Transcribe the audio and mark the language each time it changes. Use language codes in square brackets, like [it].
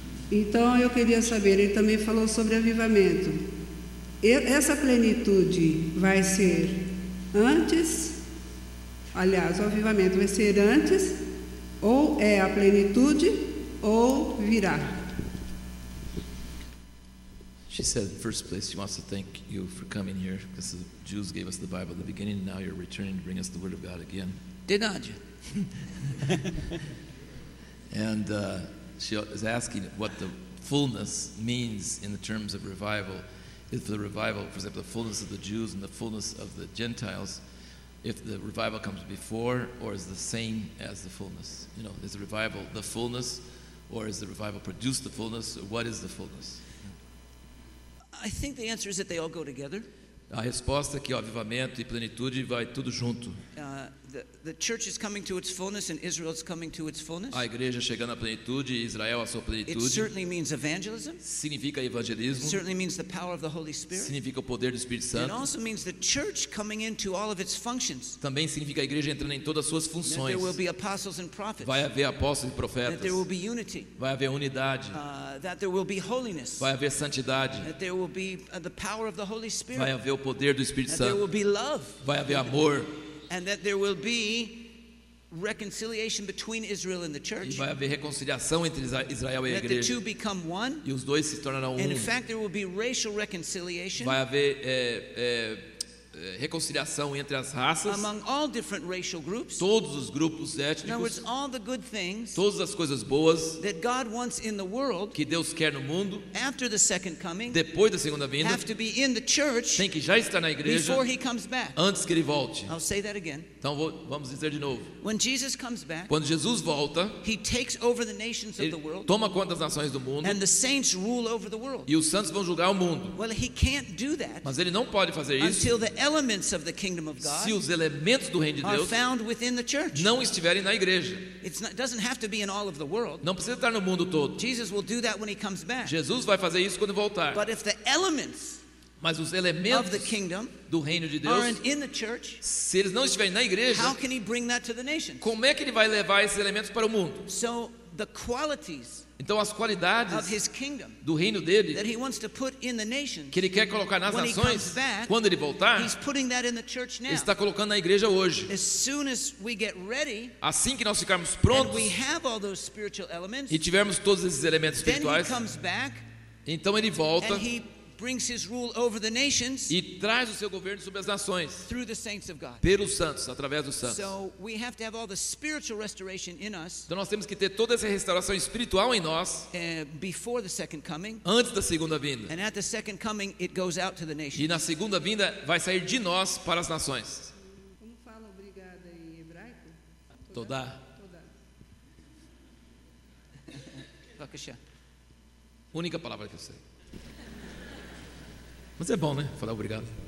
[pt] Então eu queria saber, ele também falou sobre avivamento. Essa plenitude vai ser antes, aliás, o avivamento vai ser antes, ou é a plenitude, ou virá. [en] She said, in the first place, she wants to thank you for coming here, because the Jews gave us the Bible at the beginning, and now you're returning to bring us the Word of God again. Did not you? And she is asking what the fullness means in the terms of revival. If the revival, for example, the fullness of the Jews and the fullness of the Gentiles, if the revival comes before or is the same as the fullness? You know, is the revival the fullness, or is the revival produced the fullness? Or what is the fullness? I think the answer is that they all go together. [pt] A resposta é que o avivamento e plenitude vai tudo junto. [en] The church is coming to its fullness and Israel is coming to its fullness. [pt] A igreja chegando à plenitude e Israel à sua plenitude. [en] It certainly means evangelism. [pt] Significa evangelismo. [en] It certainly means the power of the Holy Spirit. [pt] Significa o poder do Espírito Santo. [en] It also means the church coming into all of its functions. [pt] Também significa a igreja entrando em todas as suas funções. [en] That there will be apostles and prophets. [pt] Vai haver apóstolos e profetas. [en] That there will be unity. [pt] Vai haver unidade. [en] That there will be holiness. [pt] Vai haver santidade. [en] That there will be the power of the Holy Spirit. [pt] Vai haver o poder do Espírito [en] that [pt] Santo. [en] There will be love. [pt] Vai haver amor. [en] And that there will be reconciliation between Israel and the church. [pt] E vai haver reconciliação entre Israel e a igreja. [en] That the two become one. [pt] E os dois se tornarão um. [en] And in fact, there will be racial reconciliation. [pt] Vai haver reconciliação entre as raças. [en] Among all different racial groups. [pt] Todos os grupos étnicos. [en] In other words, all the good things. [pt] Todas as coisas boas. [en] That God wants in the world. [pt] Que Deus quer no mundo. [en] After the second coming. [pt] Depois da segunda vinda. [en] Have to be in the church. [pt] Tem que já estar na igreja. [en] Before he comes back. [pt] Antes que ele volte. [en] I'll say that again. [pt] Então vamos dizer de novo. [en] When Jesus comes back. [pt] Quando Jesus volta. [en] He takes over the nations of the world. [pt] Ele toma conta das nações do mundo. [en] And the saints rule over the world. [pt] E os santos vão julgar o mundo. [en] Well, he can't do that. [pt] Mas ele não pode fazer isso. [en] Until the elements of the kingdom of God. [pt] Se os elementos do reino de Deus [en] are found within the church. [pt] Não estiverem na igreja. [en] It doesn't have to be in all of the world. [pt] Não precisa estar no mundo todo. [en] Jesus will do that when he comes back. [pt] Jesus vai fazer isso quando voltar. [en] But if the elements [pt] mas os elementos [en] of the kingdom [pt] do reino de Deus [en] aren't in the church, [pt] se eles não estiverem na igreja, [en] how can he bring that to the nations? [pt] Como é que ele vai levar esses elementos para o mundo? [en] So the qualities [pt] então as qualidades [en] of his kingdom, [pt] do reino dele [en] that he wants to put in the nations, [pt] que ele quer colocar nas [en] when [pt] nações [en] he comes back, [pt] quando ele voltar [en] he's putting that in the church now. [pt] Ele está colocando na igreja hoje [en] as soon as we get ready, [pt] assim que nós ficarmos prontos [en] and we have all those spiritual elements, [pt] e tivermos todos esses elementos espirituais [en] then he comes back, [pt] então ele volta [en] and he brings his rule over the nations, [pt] e traz o seu governo sobre as nações [en] through the saints of God. [pt] Pelos santos, através dos santos. [en] So we have to have all the spiritual restoration in us, [pt] então nós temos que ter toda essa restauração espiritual em nós [en] before the second coming, [pt] antes da segunda vinda. [en] And at the second coming, it goes out to the nations. [pt] E na segunda vinda vai sair de nós para as nações. Como fala obrigada em hebraico? [he] Todá. Bakasha. [pt] Única palavra que eu sei. Mas é bom, né? Falar obrigado.